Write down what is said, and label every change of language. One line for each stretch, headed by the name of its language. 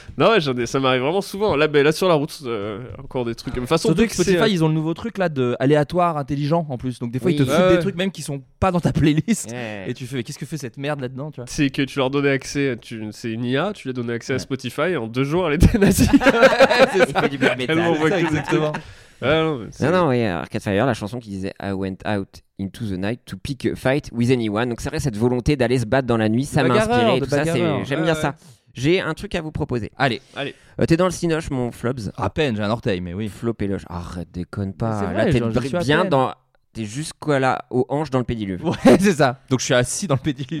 French: Non ouais, ça m'arrive vraiment souvent. Là sur la route, encore des trucs. Surtout que Spotify, ils ont le nouveau truc là de aléatoire intelligent en plus. Donc des fois, ils te foutent des trucs même qui sont pas dans ta playlist. Et tu fais, mais qu'est-ce que fait cette merde là-dedans, tu vois? C'est que tu leur donnais accès, c'est une IA, tu lui as donné accès à Spotify et en deux jours, elle était nazie. C'est ça, du black metal. Exactement. Ouais, non, oui, Arcade Fire, la chanson qui disait
English: I went out into the night to pick a fight with anyone.
French: Donc c'est vrai, cette volonté d'aller se battre dans la nuit, ça m'a inspiré. Et tout ça, j'aime bien ça. J'ai un truc à vous proposer. Allez. T'es dans le cinoche, mon Flobs. À peine, j'ai un orteil, mais oui. Flop et loge. Arrête, déconne pas. C'est vrai, là, je suis bien dans. T'es jusqu'à là, aux hanches dans le pédiluve. Ouais, c'est ça. Donc je suis assis dans le pédiluve.